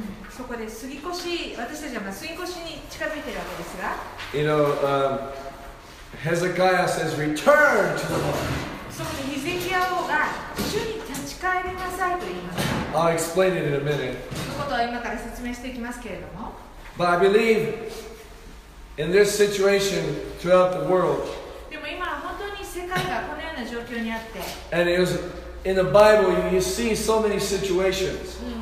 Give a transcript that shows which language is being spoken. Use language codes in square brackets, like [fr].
[ja] そこで過ぎ越し、私たちは過ぎ越しに近づいているわけですが、 [en] you know, Hezekiah says, return to the Lord. [ja] そこでヒゼキヤ王が主に立ち返りなさいと言います。 [en] I'll explain it in a minute. [ja] そのことは今から説明していきますけれども。 [en] But I believe in this situation throughout the world. [ja] でも今は本当に世界がこのような状況にあって、 [en] and it was in the Bible, you see so many situations.